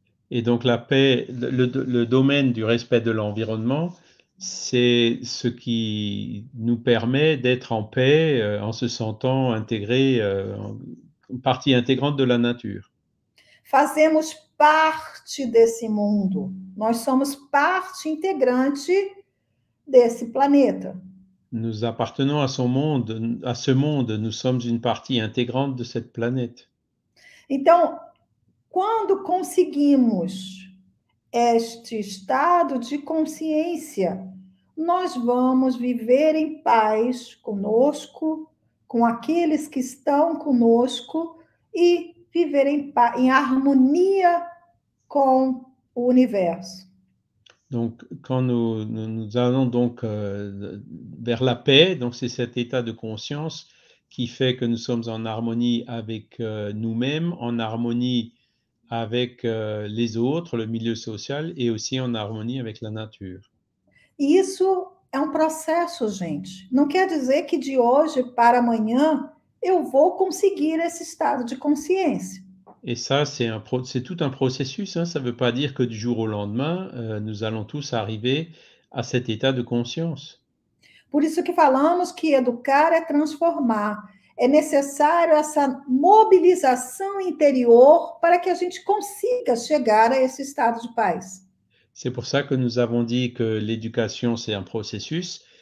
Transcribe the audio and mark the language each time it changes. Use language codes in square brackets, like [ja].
[fr] Et donc la paix, le domaine du respect de l'environnement, c'est ce qui nous permet d'être en paix en se sentant intégré, partie intégrante de la nature. [pt] Fazemos parte desse mundo. Nós somos parte integrante desse planeta. [fr] Nous appartenons à son monde, à ce monde, nous sommes une partie intégrante de cette planète. [pt] Então, quando conseguimos este estado de consciência, nós vamos viver em paz conosco, com aqueles que estão conosco e viver em harmonia com o universo. [fr] Donc, quand nous allons donc vers la paix, donc c'est cet état de conscience qui fait que nous sommes en harmonie avec nous-mêmes, en harmonie avec les autres, le milieu social et aussi en harmonie avec la nature. [pt] Isso é um processo, gente. Não quer dizer que de hoje para amanhã eu vou conseguir esse estado de consciência. [fr] Et ça, c'est tout un processus, hein. Ça ne veut pas dire que du jour au lendemain, nous allons tous arriver a cet état de conscience. [pt] Por isso que falamos que educar é transformar. É necessário essa mobilização interior para que a gente consiga chegar a esse estado de paz. [fr] C'est pour ça que nous avons dit que l'éducation, c'est un processus.